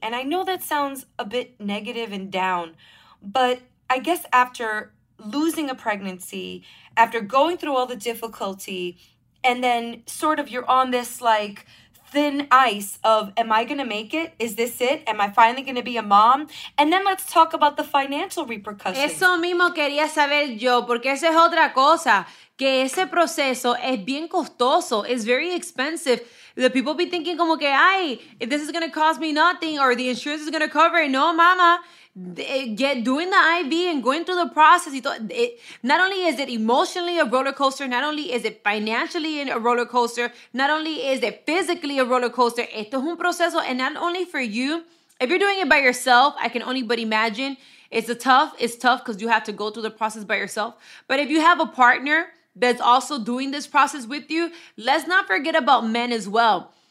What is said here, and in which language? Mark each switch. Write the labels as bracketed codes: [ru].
[en] And I know that sounds a bit negative and down, but I guess after losing a pregnancy, after going through all the difficulty, and then sort of you're on this like thin ice of, am I going to make it? Is this it? Am I finally going to be a mom? And then let's talk about the financial repercussions. [es] Eso mismo quería saber yo, porque esa es otra cosa, que ese proceso es bien costoso. [en] It's very expensive. The people be thinking [es] como que, ay, [en] this is going to cost me nothing or the insurance is going to cover it. No, mama. Doing the IV and going through the process, not only is it emotionally a roller coaster, not only is it financially a roller coaster, not only is it physically a roller coaster, [es] esto es un proceso, [en] and not only for you, if you're doing it by yourself, I can only but imagine, it's tough because you have to go through the process by yourself, but if you have a partner that's also doing this process with you, let's not forget about men as well.